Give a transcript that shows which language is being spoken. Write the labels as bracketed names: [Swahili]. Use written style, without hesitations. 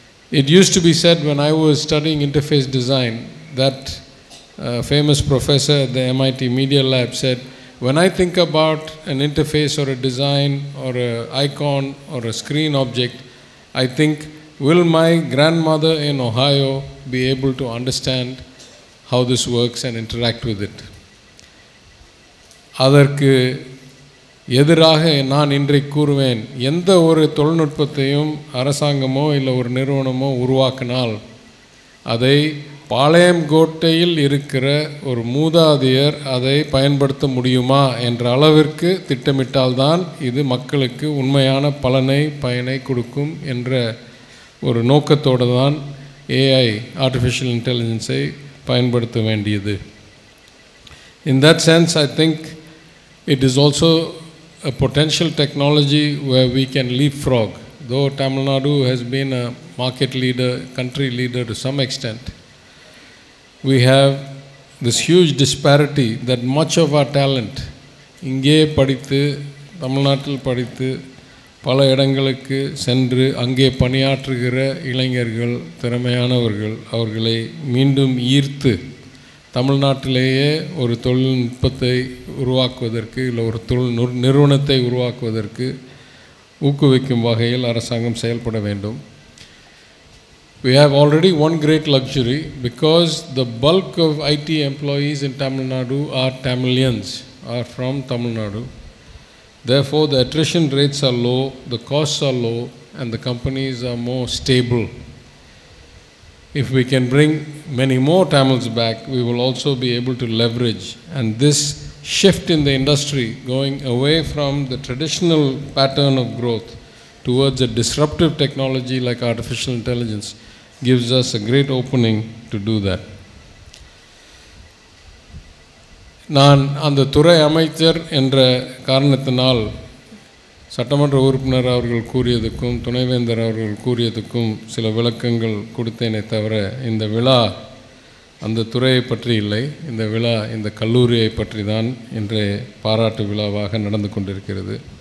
[English] It used to be said when I was studying interface design that a famous professor at the MIT Media Lab said, when I think about an interface or a design or an icon or a screen object, I think, will my grandmother in Ohio be able to understand how this works and interact with it? [Tamil] அதற்கு எதிராக நான் இன்றைக்கு கூறுவேன், எந்த ஒரு தொழில்நுட்பத்தையும் அரசாங்கமோ இல்லை ஒரு நிறுவனமோ உருவாக்கினால் அதை பாளையங்கோட்டையில் இருக்கிற ஒரு மூதாதையர் அதை பயன்படுத்த முடியுமா என்ற அளவிற்கு திட்டமிட்டால்தான் இது மக்களுக்கு உண்மையான பலனை பயனை கொடுக்கும் என்ற ஒரு நோக்கத்தோடு தான் AI, artificial intelligence, பயன்படுத்த வேண்டியது. [English] In that sense, I think it is also a potential technology where we can leapfrog. Though Tamil Nadu has been a market leader, country leader to some extent, we have this huge disparity that much of our talent, [Tamil] இங்கே படித்து, Tamil Nadu படித்து, பல இடங்களுக்கு சென்று அங்கே பணியாற்றுகிற இளைஞர்கள், திறமையானவர்கள், அவர்களை மீண்டும் ஈர்த்து தமிழ்நாட்டிலேயே ஒரு தொழில்நுட்பத்தை உருவாக்குவதற்கு இல்லை ஒரு நிறுவனத்தை உருவாக்குவதற்கு ஊக்குவிக்கும் வகையில் அரசாங்கம் செயல்பட வேண்டும். [English] We have already one great luxury because the bulk of IT employees in Tamil Nadu are Tamilians, are from Tamil Nadu. Therefore, the attrition rates are low, the costs are low, and the companies are more stable. If we can bring many more Tamils back, we will also be able to leverage. And this shift in the industry, going away from the traditional pattern of growth towards a disruptive technology like artificial intelligence, gives us a great opening to do that. [Tamil] நான் அந்த துறை அமைச்சர் என்ற காரணத்தினால் சட்டமன்ற உறுப்பினர் அவர்கள் கூறியதுக்கும் துணைவேந்தர் அவர்கள் கூறியதுக்கும் சில விளக்கங்கள் கொடுத்தேனே தவிர இந்த விழா அந்த துறையை பற்றி இல்லை, இந்த விழா இந்த கல்லூரியை பற்றி தான் இன்றைய பாராட்டு விழாவாக நடந்து கொண்டிருக்கிறது.